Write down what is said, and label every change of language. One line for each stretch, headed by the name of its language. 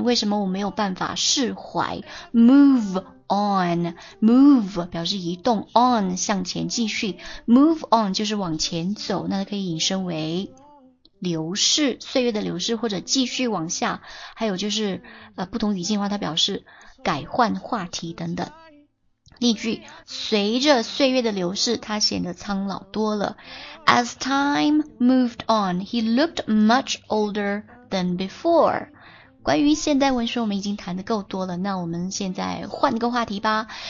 Chinese: 为什么我没有办法释怀 ？Move on，move 表示移动 ，on 向前继续 ，move on 就是往前走，那可以引申为流逝，岁月的流逝，或者继续往下。还有就是，不同语境化，它表示改换话题等等。例句，随着岁月的流逝，他显得苍老多了。
English: As time moved on, he looked much older than before.
Chinese: 关于现代文学，我们已经谈得够多了，那我们现在换个话题吧。